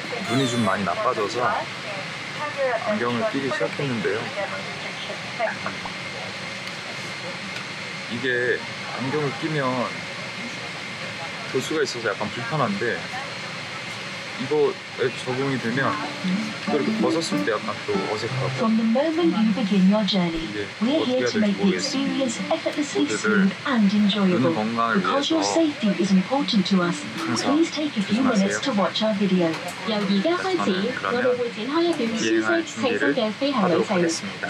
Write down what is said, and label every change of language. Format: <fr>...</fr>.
<ko>눈이 좀 많이 나빠져서 안경을 끼기 시작했는데요. 이게 안경을 끼면 도수가 있어서 약간 불편한데, 이거에 적응이 되면 또 이렇게 벗었을 때 약간 또 어색하고.</ko> <en>From the moment you begin your journey, we're here to make the experience effortlessly smooth and enjoyable. Because your safety is important to us, please take a few minutes to watch our video.</en> <ko>여기가까지 여러분 하여금 여행 준비를 하도록 하겠습니다.</ko>